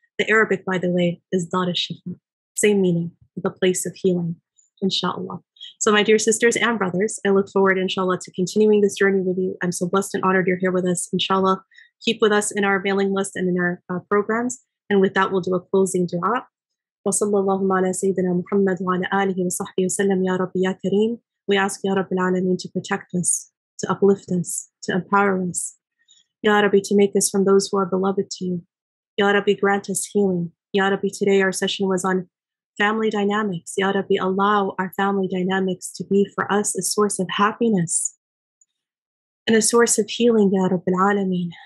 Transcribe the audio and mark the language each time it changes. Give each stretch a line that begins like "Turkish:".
English: The Arabic, by the way, is Dar al-Shifa. Same meaning, the place of healing, inshallah. So my dear sisters and brothers, I look forward, inshallah, to continuing this journey with you. I'm so blessed and honored you're here with us, inshallah. Keep with us in our mailing list and in our programs. And with that, we'll do a closing dua.
Arabic: وصلى الله على سيدنا محمد وعلى آله وصحبه وسلم يا رب يا كريم.
English: We ask
Arabic: يا رب العالمين
English: to protect us, to uplift us, to empower us. يا ربي, to make us from those who are beloved to you. يا ربي, grant us healing. يا ربي, today our session was on family dynamics. Ya Rabbi, allow our family dynamics to be for us a source of happiness and a source of healing, Ya Rabbi Alameen.